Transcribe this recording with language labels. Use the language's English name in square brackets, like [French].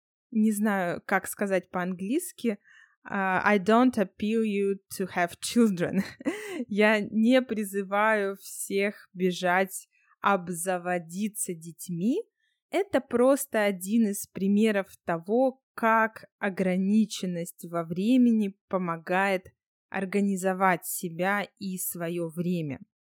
[Russian] Не знаю, как сказать по-английски. [English] I don't appeal you to have children. [Russian] Я не призываю всех бежать обзаводиться детьми. Это просто один из примеров того, как ограниченность во времени помогает организовать себя и свое время.